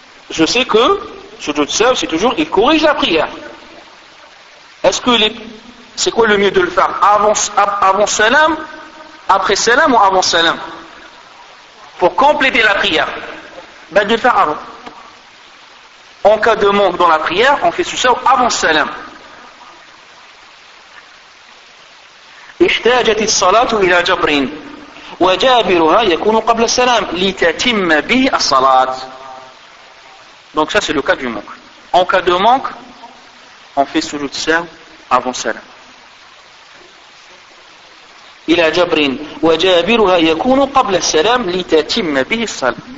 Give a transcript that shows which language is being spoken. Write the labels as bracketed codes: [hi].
[fr] Je sais que sujoud sahw, c'est toujours, il corrige la prière. Est-ce que c'est quoi le mieux de le faire? Avant salam, après salam ou avant salam? Pour compléter la prière, ben de le faire avant. En cas de manque dans la prière, on fait sujoud sahw avant salam. [ar] احتاجت الصلاة إلى جبر وجابرها يكون قبل السلام لتتم به الصلاة. [fr] Donc ça c'est le cas du manque. En cas de manque, on fait sujoud sahw avant salam. [ar] إلى جبر وجابرها يكون قبل السلام لتتم به الصلاة.